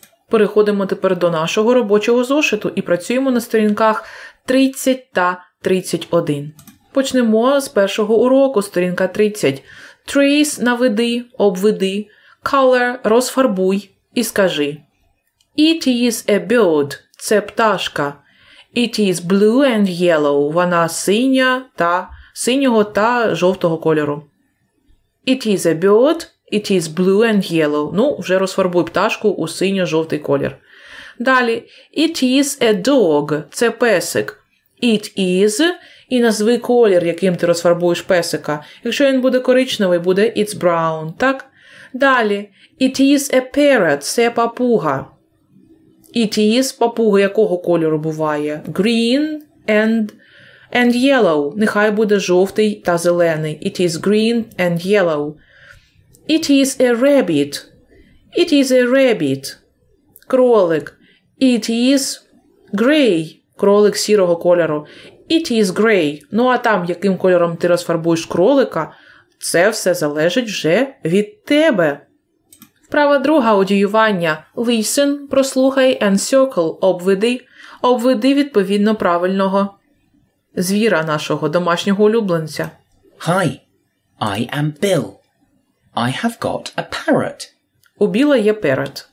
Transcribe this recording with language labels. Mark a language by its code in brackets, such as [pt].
[uk] Переходимо тепер до нашого робочого зошиту і працюємо на сторінках 30 та 31. Почнемо з першого уроку, сторінка 30. [en] Trees [uk] – наведи, обведи. [en] Color [uk] – розфарбуй і скажи. [en] It is a bird – [uk] це пташка. [en] It is blue and yellow [uk] – вона синя та синього та жовтого кольору. [en] It is a bird – It is blue and yellow. [uk] Ну, вже розфарбуй пташку у синьо-жовтий колір. Далі. [en] It is a dog. [uk] Це песик. [en] It is. [uk] І назви колір, яким ти розфарбуєш песика. Якщо він буде коричневий, буде [en] it's brown. [uk] Так? Далі. [en] It is a parrot. [uk] Це папуга. [en] It is. [uk] Папуга якого кольору буває? [en] Green and yellow. [uk] Нехай буде жовтий та зелений. [en] It is green and yellow. It is a rabbit. It is a rabbit. [uk] Кролик. [en] It is gray. [uk] Кролик сірого кольору. [en] It is gray. [uk] Ну а там, яким кольором ти розфарбуєш кролика, це все залежить вже від тебе. Вправа друга аудіювання. [en] Listen, [uk] прослухай, [en] and circle, [uk] обведи. Обведи відповідно правильного звіра нашого домашнього улюбленця. [en] Hi, I am Bill. I have got a parrot. [uk] У Біла є parrot.